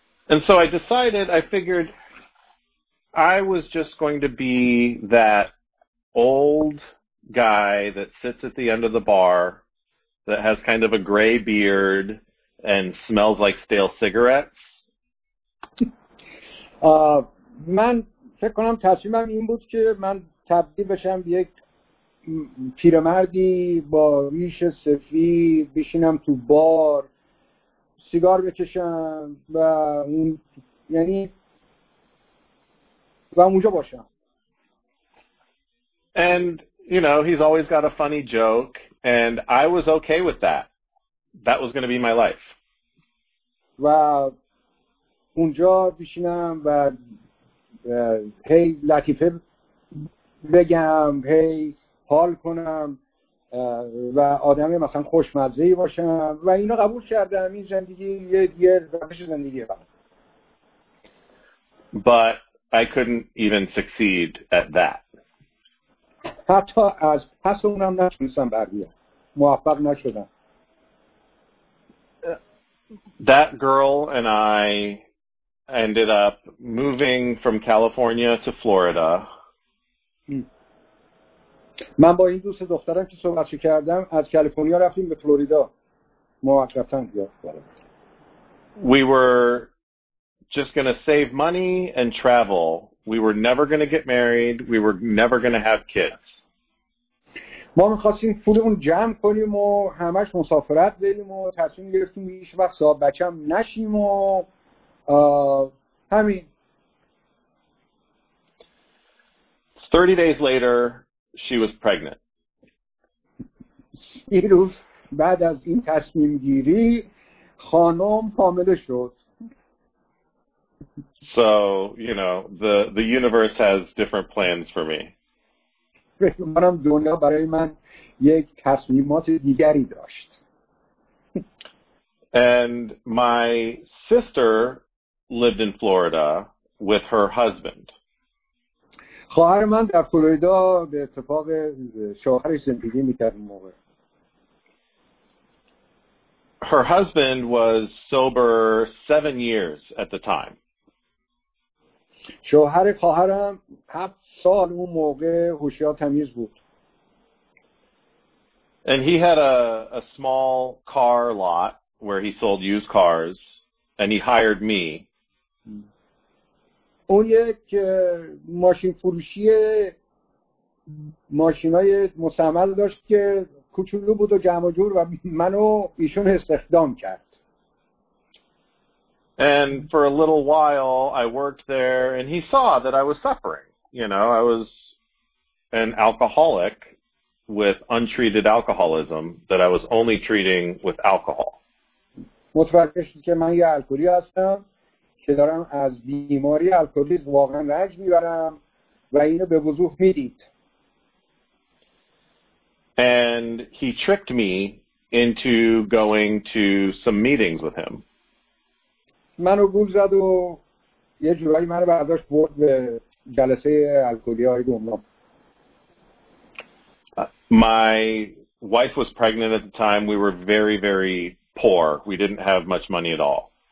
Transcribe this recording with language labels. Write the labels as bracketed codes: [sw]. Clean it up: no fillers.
[en] And so I decided, I figured I was just going to be that old guy that sits at the end of the bar that has kind of a gray beard and smells like stale cigarettes. [fa] من فکر کنم تصمیمم این بود که من تبدیل بشم به یک پیرمردی با ریش سفید بشینم تو بار سیگار بکشم و اون یعنی و اونجا باشم. [en] And you know, he's always got a funny joke and I was okay with that. That was going to be my life. [fa] و اونجا بشینم و هی لطیفه بگم، هی حال کنم و آدمی مثلا خوشمزه‌ای باشم و اینو قبول کردم این زندگی یه روش زندگیه. [en] But I couldn't even succeed at that. [fa] حتی از پس اونم نتونستم بردیم، موفق نشدم. [en] That girl and I ended up moving from California to Florida. [fa] من با این دوست دخترم که صحبت کردم از کالیفرنیا رفتیم به فلوریدا. موقتاً بیا. [en] We were just going to save money and travel. We were never going to get married. We were never going to have kids. [fa] ما می‌خواستیم پولمون جمع کنیم و همش مسافرت بریم و تصمیم گرفتیم هیچ وقت صاحب بچه‌ام نشیم و همین. [en] 30 days later she was pregnant. [fa] ایروز بعد از این تصمیم گیری خانم حامل شد. [en] So, you know, the universe has different plans for me. [fa] منم دنیا برای من یک تصمیمات دیگری داشت. [en] And my sister lived in Florida with her husband. [fa] خواهر من در فلوریدا به اتفاق شوهرش زندگی میکرد اون موقع. [en] Her husband was sober 7 years at the time. [fa] شوهر خواهرم 7 سال اون موقع هوشیار تمیز بود. [en] And he had a small car lot where he sold used cars, and he hired me. [fa] اون یک ماشین فروشی ماشینای مستعمل داشت که کوچولو بود و جمع جور و منو ایشون استخدام کرد. [en] And for a little while I worked there and he saw that I was suffering. You know, I was an alcoholic with untreated alcoholism that I was only treating with alcohol. [fa] متوجه شد که من یه الکلی هستم که دارم از بیماری الکلیسم واقعا رنج میبرم و اینو به وضوح میدید. [en] And he tricked me into going to some meetings with him. [fa] منو گول زد و یه جورایی منو برداشت برد به جلسه الکلی‌های گمنام. [en] My wife was pregnant at the time. We were very, very poor. We didn't have much money at all.